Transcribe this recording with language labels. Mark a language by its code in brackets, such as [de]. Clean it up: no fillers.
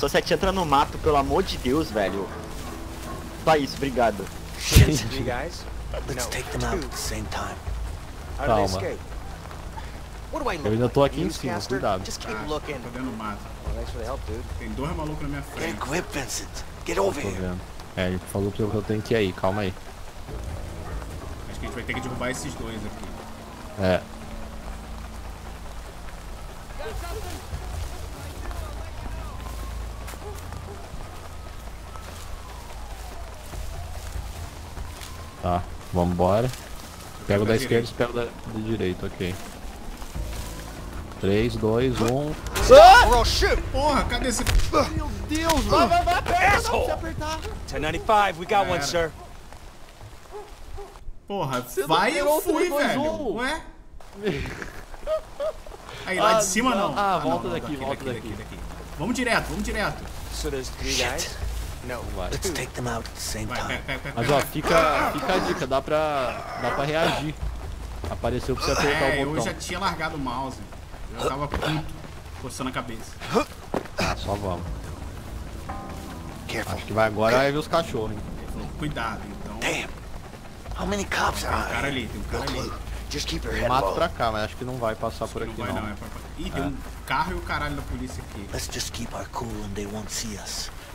[pt] Só se a gente entra no mato, pelo amor de Deus, velho. Só isso, obrigado. [en] Let's take them out at the same time. [pt] Calma. Eu ainda tô aqui em cima, cuidado. Tá, tô vendo o mato. Tem dois malucos na minha frente. [en] Get equipped, Vincent. Get over here. [pt] É, ele falou que eu tenho que ir aí, calma aí. Acho que a gente vai ter que derrubar esses dois aqui. É. Tá, vambora. Pego da esquerda e pego da direita, ok. 3, 2, 1. Ah! Porra, cadê esse. Meu Deus, mano! Vai, [en] 1095, we got one, sir. [pt] Porra, você vai e eu fui, 3, 2, velho. 1. Ué? Aí, lá de cima não. Ah, volta daqui, daqui, volta daqui. Daqui. Vamos direto. [en] So there's three guys? No, let's take them out at the same time. [pt] Mas ó, fica a dica, dá pra reagir. Apareceu pra você apertar o botão. Eu já tinha largado o mouse. Eu já tava puto, coçando a cabeça. Ah, só vamos. Acho que vai agora vai ver os cachorros, hein? Cuidado, então. [en] Damn! How many cops are? [pt] Tem um cara ali. [en] Just keep your head. [pt] Mato pra cá, mas acho que não vai passar por aqui. Não vai, não. Ih, tem um carro e o caralho da polícia aqui. [en] Let's just keep our cool and they won't see us.